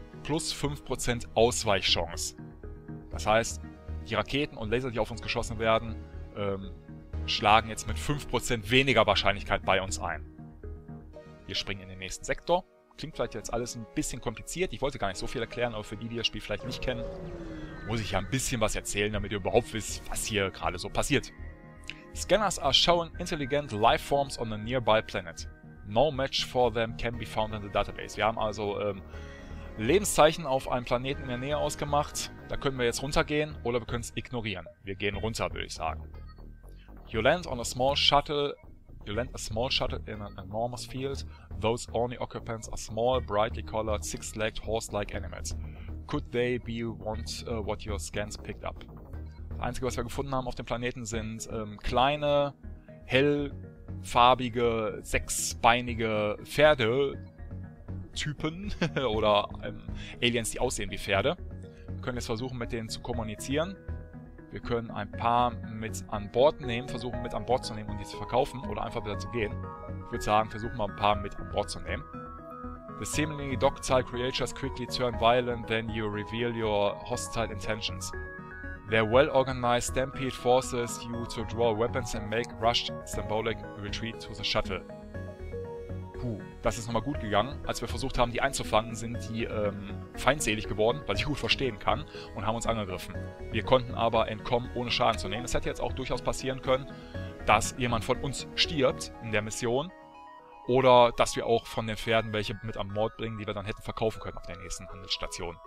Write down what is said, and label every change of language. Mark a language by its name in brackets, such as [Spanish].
[German] Plus 5% Ausweichchance. Das heißt, die Raketen und Laser, die auf uns geschossen werden, schlagen jetzt mit 5% weniger Wahrscheinlichkeit bei uns ein. Wir springen in den nächsten Sektor. Klingt vielleicht jetzt alles ein bisschen kompliziert. Ich wollte gar nicht so viel erklären, aber für die, die das Spiel vielleicht nicht kennen, muss ich ja ein bisschen was erzählen, damit ihr überhaupt wisst, was hier gerade so passiert. [English] Scanners are showing intelligent life forms on a nearby planet. No match for them can be found in the database. [German] Wir haben also Lebenszeichen auf einem Planeten in der Nähe ausgemacht. Da können wir jetzt runtergehen oder wir können es ignorieren. Wir gehen runter, würde ich sagen. [English] You land on a small shuttle. You land a small shuttle in an enormous field. Those only occupants are small, brightly colored, six-legged, horse-like animals. Could they be what your scans picked up? [German] Das Einzige, was wir gefunden haben auf dem Planeten, sind kleine, hellfarbige, sechsbeinige Pferde-Typen oder Aliens, die aussehen wie Pferde. Wir können jetzt versuchen, mit denen zu kommunizieren. Wir können ein paar mit an Bord nehmen, versuchen mit an Bord zu nehmen und die zu verkaufen oder einfach wieder zu gehen. Ich würde sagen, versuchen wir ein paar mit an Bord zu nehmen. [English] The seemingly docile creatures quickly turn violent when you reveal your hostile intentions. Their well-organized stampede forces you to draw weapons and make rushed symbolic retreat to the shuttle. [German] Puh, das ist nochmal gut gegangen. Als wir versucht haben, die einzufangen, sind die feindselig geworden, was ich gut verstehen kann, und haben uns angegriffen. Wir konnten aber entkommen, ohne Schaden zu nehmen. Es hätte jetzt auch durchaus passieren können, dass jemand von uns stirbt in der Mission. Oder dass wir auch von den Pferden welche mit an Bord bringen, die wir dann hätten verkaufen können auf der nächsten Handelsstation.